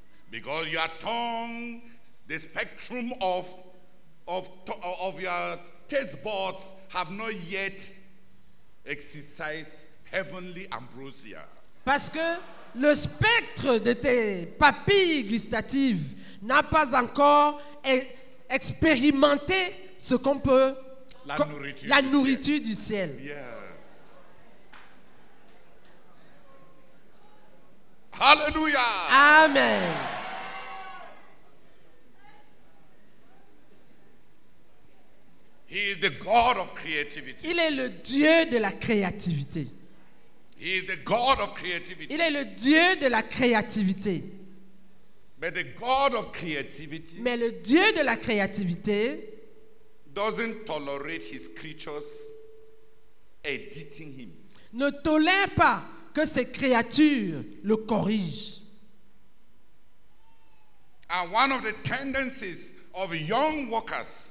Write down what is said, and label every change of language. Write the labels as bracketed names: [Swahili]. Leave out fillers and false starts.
[English] Because your tongue, the spectrum of your taste buds have not yet exercised heavenly ambrosia. [French] Parce que le spectre de tes papilles gustatives n'a pas encore expérimenté ce qu'on peut la nourriture du ciel. Yeah. Hallelujah. Amen. [English] He is the God of creativity. [French] Il est le Dieu de la créativité. [English] He is the God of creativity. [French] Il est le Dieu de la créativité. [English] But the God of creativity. [French] Mais le Dieu de la créativité [English] doesn't tolerate his creatures editing him. [French] Ne tolère pas que ses créatures le corrigent. [English] And one of the tendencies of young workers.